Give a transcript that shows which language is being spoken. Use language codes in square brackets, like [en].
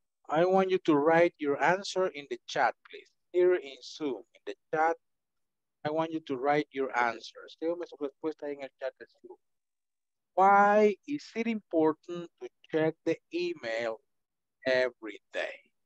[en] I want you to write your answer in the chat, please. Here in Zoom, in the chat, I want you to write your answer. [es] Escríbeme su respuesta en el chat de Zoom. [en] Why is it important to check the email every day?